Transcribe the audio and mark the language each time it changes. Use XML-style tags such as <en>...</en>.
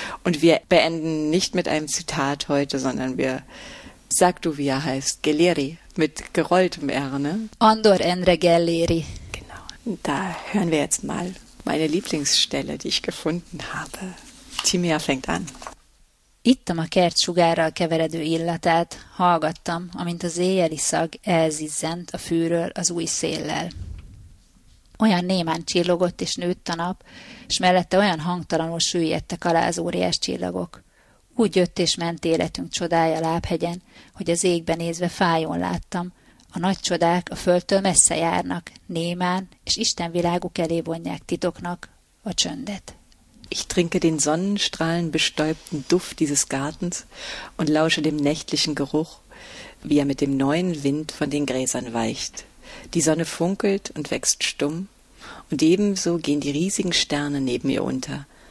<de>Und wir beenden nicht mit einem Zitat heute, sondern wir sag du, wie er heißt, Geleri. Mit gerolltem R, ne? Andor Endre Galeri. Genau. Da hören wir jetzt mal meine Lieblingsstelle, die ich gefunden habe. Timia fängt an.</de> <hu>Ittam a kert sugárral keveredő illatát, hallgattam, amint az éjjeli szag elzizzent a fűről az új széllel. Olyan némán csillogott és nőtt a nap, s mellette olyan hangtalanul süllyedtek alá az óriás csillagok. Úgy jött és ment életünk csodája lábhegyen, hogy az égbe nézve fájón láttam. A nagy csodák a földtől messze járnak, némán, és Isten világuk elé vonják titoknak a csöndet.</hu> <de>Ich trinke den sonnenstrahlenbestäubten Duft dieses Gartens und lausche dem nächtlichen Geruch, wie er mit dem neuen Wind von den Gräsern weicht. Die Sonne funkelt und wächst stumm, und ebenso gehen die riesigen Sterne neben ihr unter.</de>